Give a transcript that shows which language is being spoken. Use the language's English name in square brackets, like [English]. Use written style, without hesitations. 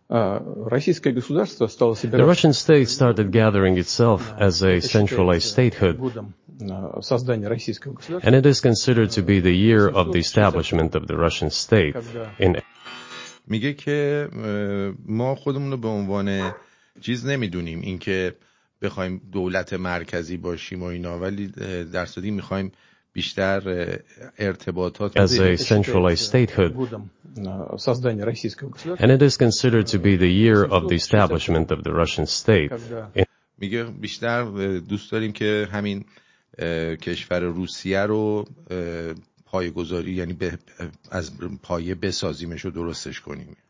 [English] The Russian state started gathering itself as a centralized statehood. And it is considered to be the year of the establishment of the Russian state. [Persian] میگه که ما خودمون رو به عنوان چیز نمیدونیم، اینکه بخوایم دولت مرکزی باشیم و اینا، ولی در صورتی میخوایم بیشتر ارتباطات [English] از centralized statehood. And it is considered to be the year of the establishment of the Russian state. [Persian] میگه بیشتر دوست داریم که همین کشور روسیه رو پایه‌گذاری، یعنی از پایه بسازیمش و درستش کنیم.